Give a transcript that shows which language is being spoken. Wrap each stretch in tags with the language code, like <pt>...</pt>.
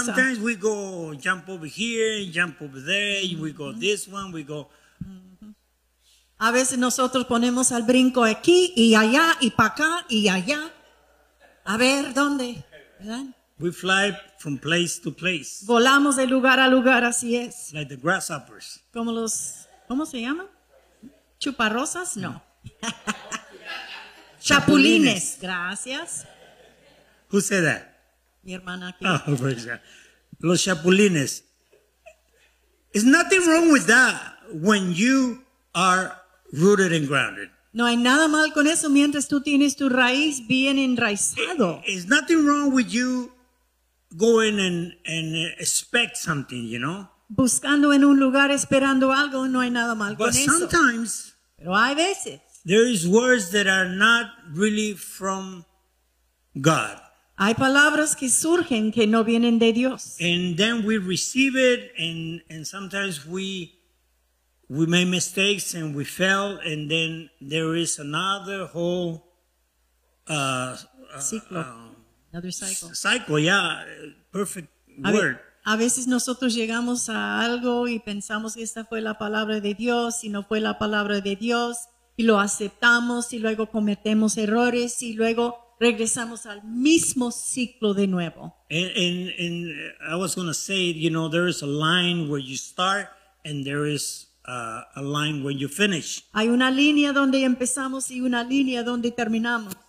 <en>Sometimes we go jump over here, jump over there, we go this one, we go.</en> <es>A veces nosotros ponemos al brinco aquí y allá y para acá y allá. A ver dónde, ¿verdad?</es> <en>We fly from place to place.</en> <es>Volamos de lugar a lugar, así es.</es> <en>Like the grasshoppers.</en> <es>Como los, ¿cómo se llama? Chuparrosas, no. Chapulines. Gracias.</es> <en>Who said that?</en> <es>Mi hermana aquí. Oh, pues ya. Los chapulines.</es> <en>There's nothing wrong with that when you are rooted and grounded.</en> <es>No hay nada mal con eso mientras tú tienes tu raíz bien enraizado.</es> <en>There's nothing wrong with you going and expect something, you know.</en> <es>Buscando en un lugar esperando algo, no hay nada mal</es> <en>but</en> <es>con eso.</es> <en>But sometimes,</en> <es>pero hay veces,</es> <en>there is words that are not really from God.</en> <es>Hay palabras que surgen que no vienen de Dios.</es> <en>And then we receive it, and sometimes we make mistakes and we fail, and then there is another whole</en> <es>ciclo.</es> <en>Another cycle. Cycle, yeah, perfect word.</en> <es>A veces nosotros llegamos a algo y pensamos que esta fue la palabra de Dios y no fue la palabra de Dios y lo aceptamos y luego cometemos errores y luego regresamos al mismo ciclo de nuevo.</es> <en>And I was going to say, you know, there is a line where you start and there is a line where you finish.</en> <es>Hay una línea donde empezamos y una línea donde terminamos.</es>